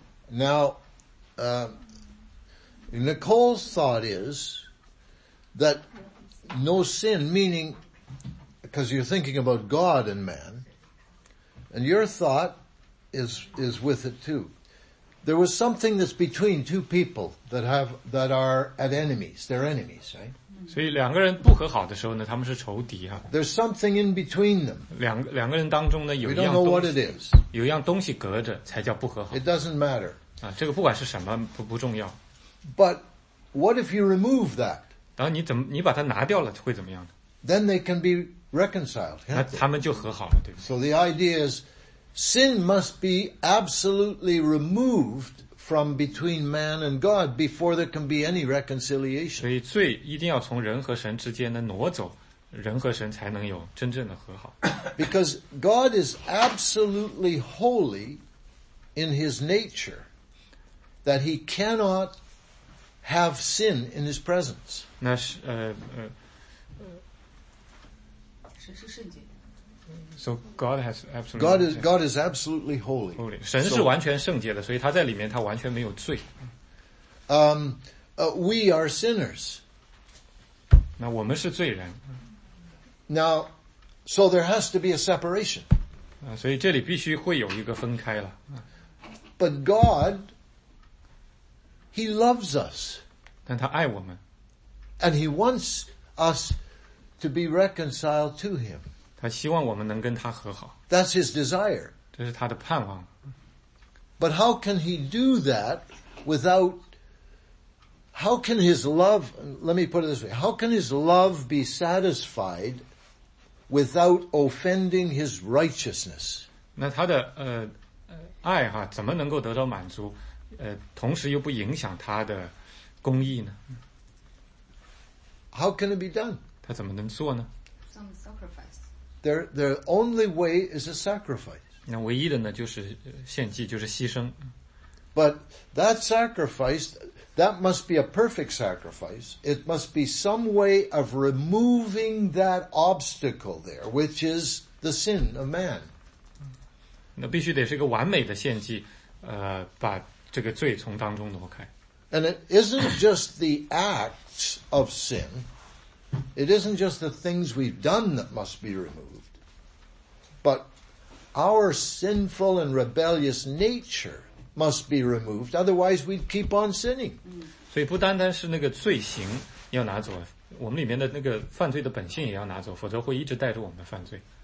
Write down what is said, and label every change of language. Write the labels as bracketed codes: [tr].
[en] Now, Nicole's thought is that no sin, meaning, because you're thinking about God and man, and your thought is with it too. There was something that's between two people that are at enemies. They're enemies, right? [zh] 所以两个人不和好的时候呢，他们是仇敌啊。 [en] There's something in between them. [zh] 两个人当中呢，有一样东西。 [en] We don't know what it is. [zh] 有一样东西隔着才叫不和好。 [en] It doesn't matter. [zh] 啊，这个不管是什么不重要。 [en] But what if you remove that? [zh] 然后你把它拿掉了会怎么样呢？ [en] Then they can be reconciled. [zh] 那他们就和好了，对不对？ [en] So the idea is. Sin must be absolutely removed from between man and God before there can be any reconciliation. [zh] 所以罪一定要从人和神之间的挪走，人和神才能有真正的和好。 [en] Because God is absolutely holy in his nature that he cannot have sin in his presence. [zh] 那是神是圣洁。 [en] So God has absolutely God is absolutely holy. [zh] 神是完全圣洁的，所以他在里面他完全没有罪。 [en] We are sinners. [zh] 那我们是罪人。 [en] Now, so there has to be a separation. [zh] 所以这里必须会有一个分开了。 [en] But God, He loves us. [zh] 但他爱我们。 [en] And He wants us to be reconciled to Him. [zh] 他希望我们能跟他和好。 [en] That's his desire. [zh] 这是他的盼望。 [en] But how can he do that without, how can his love, let me put it this way, how can his love be satisfied without offending his righteousness? [zh] 那他的爱哈，怎么能够得到满足，同时又不影响他的公义呢？ [en] How can it be done? [zh] 他怎么能做呢？ [en] Some sacrifice. Their only way is a sacrifice. [zh] 那唯一的呢，就是献祭，就是牺牲。 [en] But that sacrifice, that must be a perfect sacrifice. It must be some way of removing that obstacle there, which is the sin of man. [zh] 那必须得是一个完美的献祭，把这个罪从当中挪开。 [en] And it isn't just the acts of sin. It isn't just the things we've done that must be removed. But our sinful and rebellious nature must be removed, otherwise we'd keep on sinning. [zh] 所以不单单是那个罪行要拿走，我们里面的那个犯罪的本性也要拿走，否则会一直带着我们的犯罪。